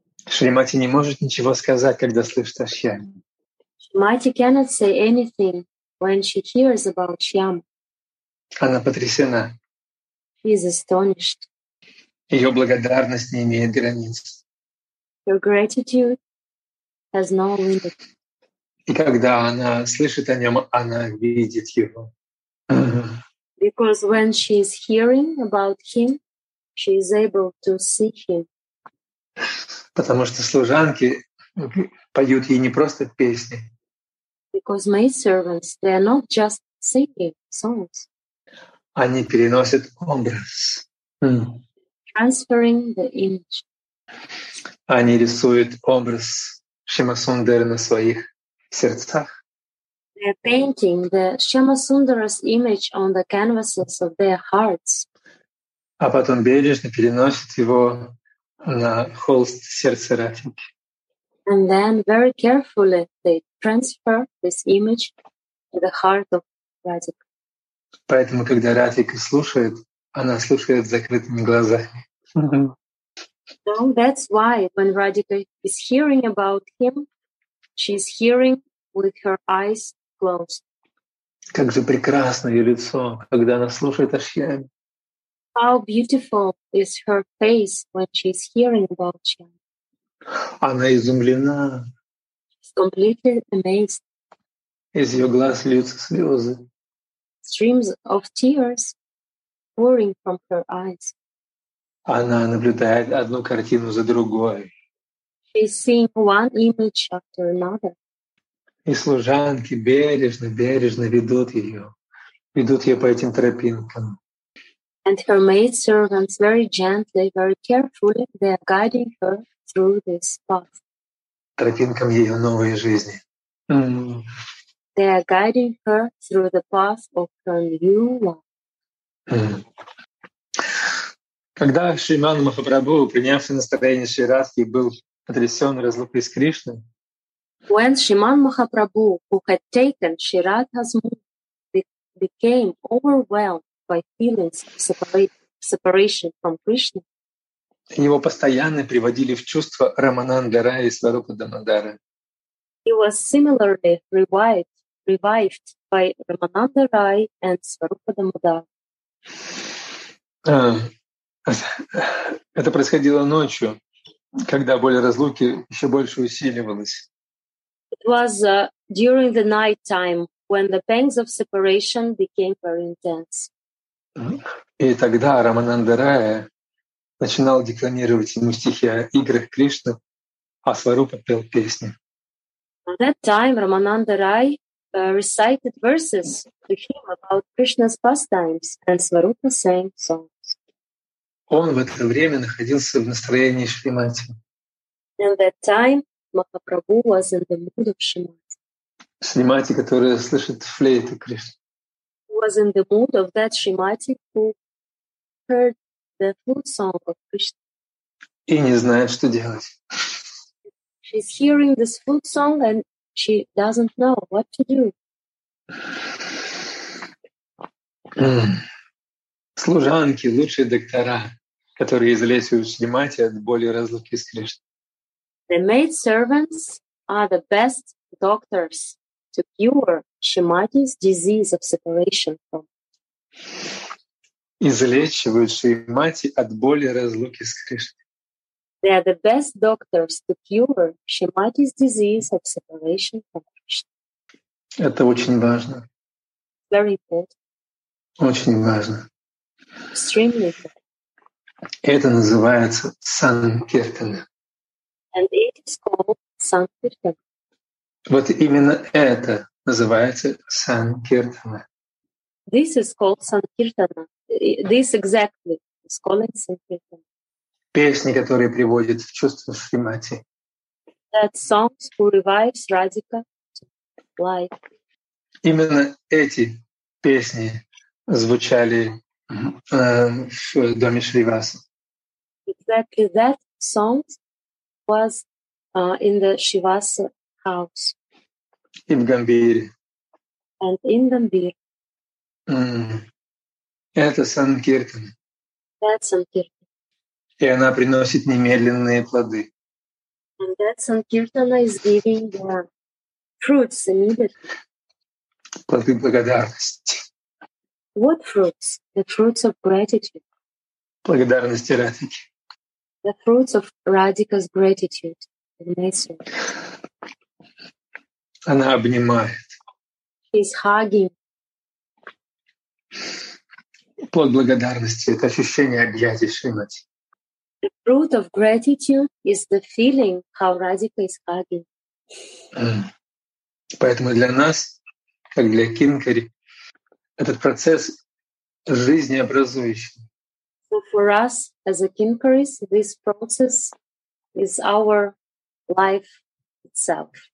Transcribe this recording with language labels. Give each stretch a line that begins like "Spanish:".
Russian: Шримати не может ничего сказать, когда слышит Ашьяму.
English: Шримати cannot say anything when she hears about Shyam.
Russian: Она потрясена.
English: She is astonished.
Russian: Ее благодарность не имеет границ.
English: Her gratitude has no limit.
Russian: И когда она слышит о нем, она видит его.
English: Because when she is hearing about him, she is able to see him.
Russian: Потому что служанки поют ей не просто песни.
English: Because maidservants, they are not just singing songs.
Russian: Они переносят образ.
English: Transferring the image.
Russian: Они рисуют образ Шимасундары на своих сердцах.
English: They are painting the Shyamasundara's image on the canvases of their hearts.
Russian: А потом бережно переносят его на холст сердца Радхики.
English: And then very carefully they transfer this image to the heart of Radhika.
Russian: Поэтому, когда Радхика слушает, она слушает с закрытыми глазами.
English: So that's why when Radhika is hearing about him, she's hearing with her eyes closed.
Russian: Как же прекрасно ее лицо, когда она слушает Ашьяму.
English: How beautiful is her face when she's hearing about him.
Russian: Она изумлена.
English: She's completely amazed.
Russian: Из ее глаз льются слезы.
English: Streams of tears pouring from her eyes.
Russian: Она наблюдает одну картину за другой.
English: She's seeing one image after another.
Russian: И служанки бережно ведут ее по этим тропинкам.
English: And her maidservants very gently, very carefully, they are guiding her through this path.
Russian: Тропинкам ее новой жизни.
English: They are guiding her through the path of her new life.
Russian: Когда Шриман Махапрабху, принявший настроение Шри Радхи, был потрясен разлукой с Кришной,
English: when Shriman Mahaprabhu, who had taken Shri Radha's mood, became overwhelmed by feelings of separation from Krishna,
Russian: его постоянно приводили в чувство Рамананда Рая и Сварупа Дамодара.
English: He was similarly revived by Рамананда Рая and Сварупа Дамодара.
Russian: Это происходило ночью, когда боль разлуки еще больше усиливалась.
English: It was during the night time when the pangs of separation became very intense.
Russian: И тогда Рамананда Рая начинал декламировать ему стихи о играх Кришны, а Сварупа пел песни.
English: At that time, Рамананда Рая recited verses to him about Krishna's pastimes, and Сварупа sang songs.
Russian: Он в это время находился в настроении Шримати.
English: In that time, Махапрабху was in the mood of Shrimati.
Russian: Шримати, которая слышит флейту Кришны.
English: He was in the mood of that Shrimati who heard the flute song of Krishna.
Russian: И не знает, что делать.
English: She's hearing this flute song and she doesn't know what to do.
Russian: Служанки, лучшие доктора, которые излечивают Шримати от боли разлуки с Кришной.
English: The maid servants are the best doctors to cure Shrimati's disease of separation from.
Russian: излечивающие мати от боли разлуки с Кришной.
English: They are the best doctors to cure Shrimati's disease of separation from Krishna.
Russian: Это очень важно.
English: Very important.
Russian: Очень важно.
English: Extremely important.
Russian: Это называется санкиртана.
English: And it is called санкиртана.
Russian: Вот именно это называется санкиртана.
English: This is called санкиртана. This exactly is called санкиртана.
Russian: Песни, которые приводят в чувство Шримати.
English: That songs who revives Radhika to life.
Russian: Именно эти песни звучали в доме Шриваса.
English: Exactly that song was in the Shivasa house. In Gambhir. And in Gambhir.
Russian: Это санкиртан.
English: That's санкиртан.
Russian: И она приносит немедленные плоды.
English: And that Sankirtana is giving the fruits immediately.
Russian: Плоды благодарности.
English: What fruits? The fruits of gratitude.
Russian: Благодарности Радхики.
English: The fruits of Radhika's gratitude. And nature.
Russian: Она обнимает.
English: She's hugging.
Russian: Плод благодарности — это ощущение объятий Шримати.
English: The fruit of gratitude is the feeling how Radhika is hugging.
Russian: Поэтому для нас, как для Кинкари, этот процесс жизнеобразующий.
English: So for us as a Kinkaris, this process is our life itself.